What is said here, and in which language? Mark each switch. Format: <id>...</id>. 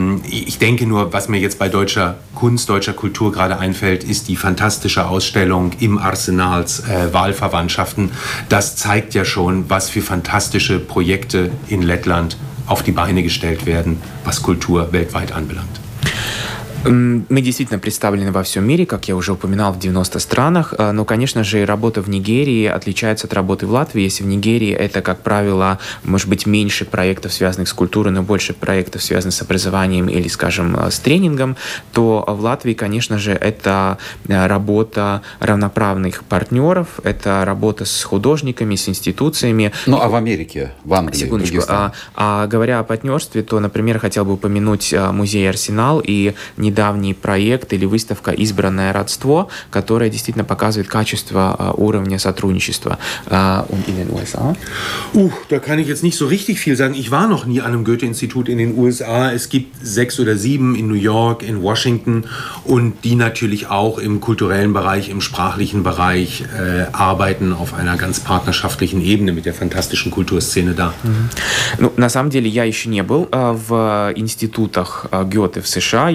<de>Ich denke nur, was mir jetzt bei deutscher Kunst, deutscher Kultur gerade einfällt, ist die fantastische Ausstellung im Arsenals Wahlverwandtschaften. Das zeigt ja schon, was für fantastische Projekte in Lettland auf die Beine gestellt werden, was Kultur weltweit anbelangt.</de> <ru>Мы действительно представлены во всем мире, как я уже упоминал, в 90 странах, но, конечно же, работа в Нигерии отличается от работы в Латвии. Если в Нигерии это, как правило, может быть, меньше проектов, связанных с культурой, но больше проектов, связанных с образованием или, скажем, с тренингом, то в Латвии, конечно же, это работа равноправных партнеров, это работа с художниками, с институциями. Ну, а в Америке, в Англии, секундочку, в других странах? Говоря о партнерстве, то, например, хотел бы упомянуть музей «Арсенал» и недавний проект или выставка «Избранное родство», которая действительно показывает качество уровня сотрудничества.</ru> <de>Und in den USA? Da kann ich jetzt nicht so richtig viel sagen. Ich war noch nie an einem Goethe-Institut in den USA. Es gibt 6 oder 7 in New York, in Washington und die natürlich auch im kulturellen Bereich, im sprachlichen Bereich arbeiten auf einer ganz partnerschaftlichen Ebene mit der fantastischen Kulturszene da.</de> <ru>Ну, на самом деле, я еще не был в институтах Гёте в США.</ru>